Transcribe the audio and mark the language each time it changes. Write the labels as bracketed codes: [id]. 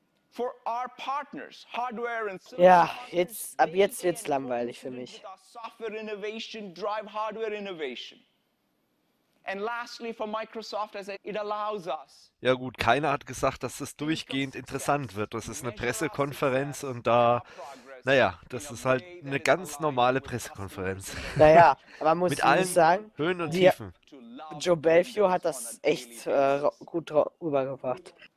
[en] For our partners, hardware and [de] ja, jetzt ab jetzt wird's langweilig für mich. [en] Software innovation drive hardware innovation. And lastly for Microsoft as it allows us. [de] Ja gut, keiner hat gesagt, dass das durchgehend interessant wird. Das ist eine Pressekonferenz und da, naja, das ist halt eine ganz normale Pressekonferenz. Naja, aber man muss mit allen sagen, Höhen und Tiefen. Joe Belfiore hat das echt gut rübergebracht.